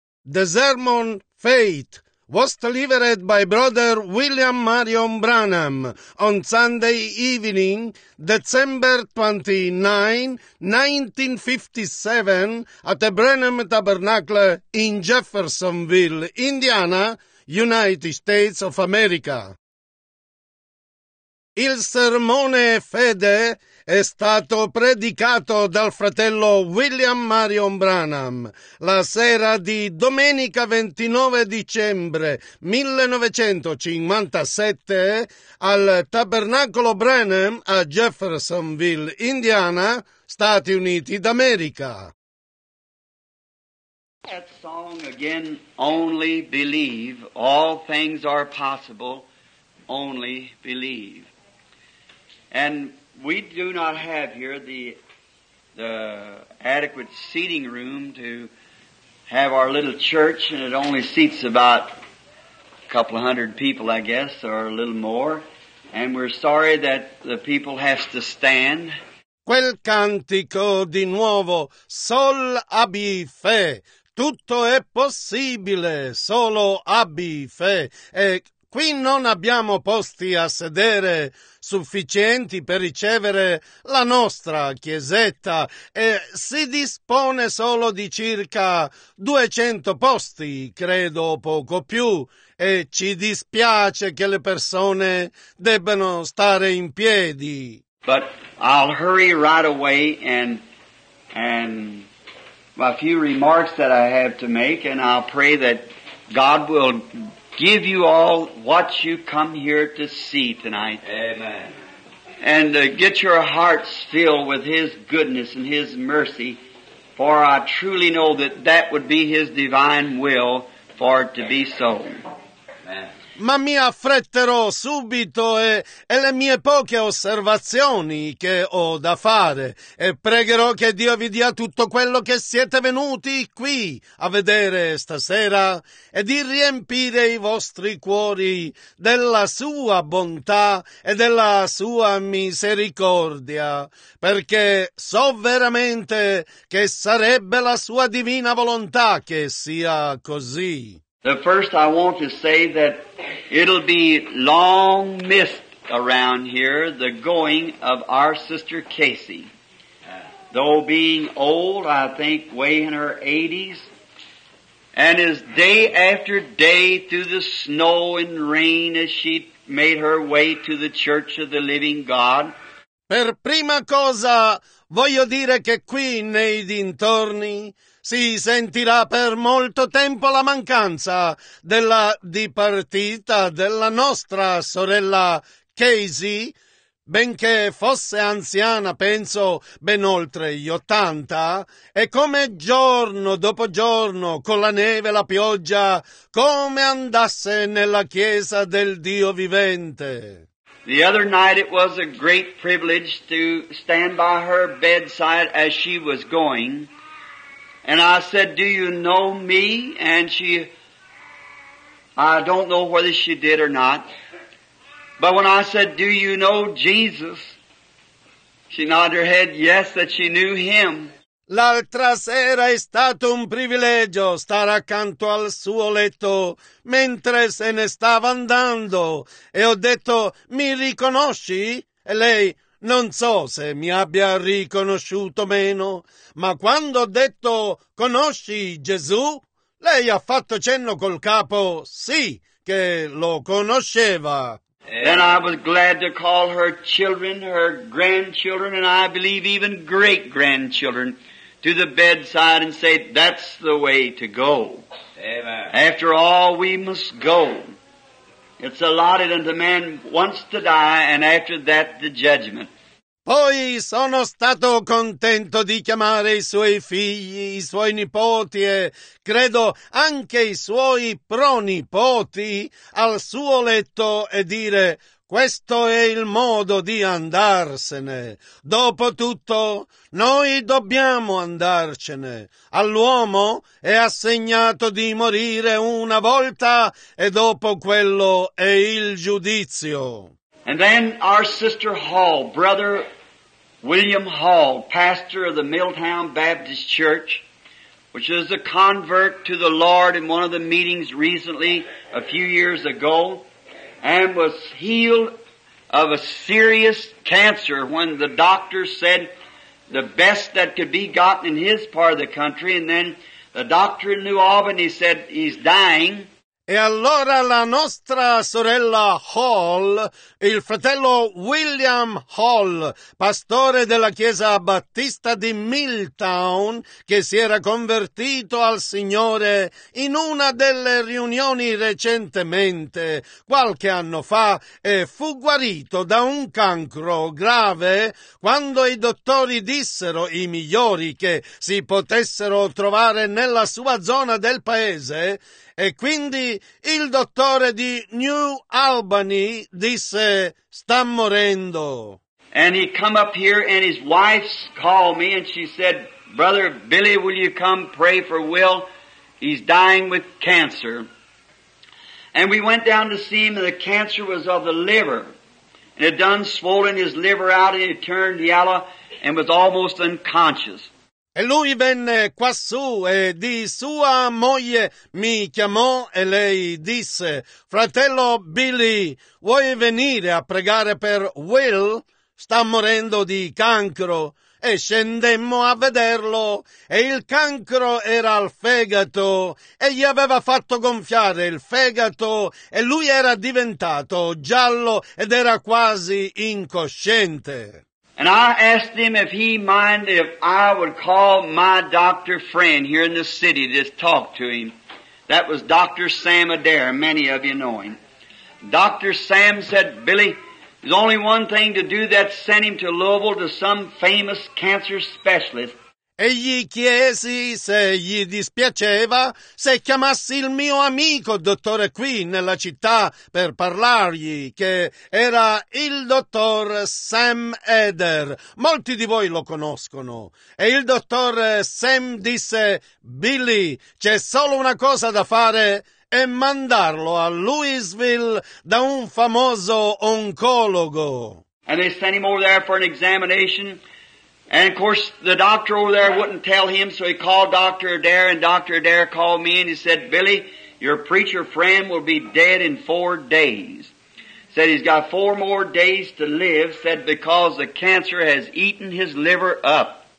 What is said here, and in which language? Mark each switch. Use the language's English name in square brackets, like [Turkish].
[English] The Sermon Fate was delivered by Brother William Marion Branham on Sunday evening, December 29, 1957, at the Branham Tabernacle in Jeffersonville, Indiana, United States of America. [Italian] Il sermone fede è stato predicato dal fratello William Marion Branham la sera di domenica 29 dicembre 1957 al Tabernacolo Branham a Jeffersonville, Indiana, Stati Uniti d'America. [English] That song again, only believe, all things are possible, only believe. And we do not have here the adequate seating room to have our little church, and it only seats about a couple of hundred people, I guess, or a little more. And we're sorry that the people has to stand. [Italian] Quel cantico di nuovo, sol abbi fe, tutto è possibile, solo abbi fe. E qui non abbiamo posti a sedere sufficienti per ricevere la nostra chiesetta e si dispone solo di circa 200 posti, credo poco più, e ci dispiace che le persone debbano stare in piedi. [English] But I'll hurry right away and a few remarks that I have to make, and I'll pray that God will give you all what you come here to see tonight. Amen. And get your hearts filled with His goodness and His mercy, for I truly know that that would be His divine will for it to be so. Amen. [Italian] Ma mi affretterò subito e le mie poche osservazioni che ho da fare e pregherò che Dio vi dia tutto quello che siete venuti qui a vedere stasera e di riempire i vostri cuori della sua bontà e della sua misericordia, perché so veramente che sarebbe la sua divina volontà che sia così. [English] The first I want to say that it'll be long missed around here, the going of our sister Casey. Though being old, I think way in her 80s, and is day after day through the snow and rain as she made her way to the Church of the Living God. [Italian] Per prima cosa voglio dire che qui nei dintorni si sentirà per molto tempo la mancanza della dipartita della nostra sorella Casey, benché fosse anziana, penso, ben oltre gli 80, e come giorno dopo giorno, con la neve e la pioggia, come andasse nella chiesa del Dio vivente. [English] The other night it was a great privilege to stand by her bedside as she was going. And I said, "Do you know me?" And she, I don't know whether she did or not, but when I said, "Do you know Jesus?" she nodded her head yes, that she knew him. [Italian] L'altra sera è stato un privilegio stare accanto al suo letto mentre se ne stava andando e ho detto, "Mi riconosci?" E lei, non so se mi abbia riconosciuto meno, ma quando ho detto conosci Gesù, lei ha fatto cenno col capo, sì, che lo conosceva. [English] Then I was glad to call her children, her grandchildren, and I believe even great grandchildren to the bedside and say, that's the way to go. Amen. After all, we must go. It's allotted unto man once to die, and after that the judgment. [Italian] Poi sono stato contento di chiamare i suoi figli, i suoi nipoti e credo anche i suoi pronipoti al suo letto e dire questo è il modo di andarsene. Dopotutto, noi dobbiamo andarcene. All'uomo è assegnato di morire una volta e dopo quello è il giudizio. [English] And then our sister Hall, brother William Hall, pastor of the Milltown Baptist Church, which is a convert to the Lord in one of the meetings recently, a few years ago, and was healed of a serious cancer when the doctor said the best that could be gotten in his part of the country, and then the doctor in New Albany said he's dying. [Italian] E allora la nostra sorella Hall, il fratello William Hall, pastore della chiesa battista di Milltown, che si era convertito al Signore in una delle riunioni recentemente, qualche anno fa, e fu guarito da un cancro grave quando i dottori dissero i migliori che si potessero trovare nella sua zona del paese. E quindi il dottore di New Albany disse, sta morendo. [English] And he come up here and his wife called me and she said, Brother Billy, will you come pray for Will? He's dying with cancer. And we went down to see him and the cancer was of the liver. It had done swollen his liver out and it turned yellow and was almost unconscious. [Italian] E lui venne quassù e di sua moglie mi chiamò e lei disse, fratello Billy, vuoi venire a pregare per Will? Sta morendo di cancro. E scendemmo a vederlo e il cancro era al fegato e gli aveva fatto gonfiare il fegato e lui era diventato giallo ed era quasi incosciente. [English] And I asked him if he mind if I would call my doctor friend here in the city to just talk to him. That was Dr. Sam Adair. Many of you know him. Dr. Sam said, Billy, there's only one thing to do, that send him to Louisville to some famous cancer specialist. [Italian] E gli chiesi se gli dispiaceva se chiamassi il mio amico dottore qui nella città per parlargli, che era il dottor Sam Adair. Molti di voi lo conoscono. E il dottor Sam disse, Billy, c'è solo una cosa da fare, e mandarlo a Louisville da un famoso oncologo. [English] And they sent him over there for an examination. And of course, the doctor over there wouldn't tell him, so he called Dr. Adair, and Dr. Adair called me, and he said, Billy, your preacher friend will be dead in 4 days. Said he's got 4 more days to live, said because the cancer has eaten his liver up.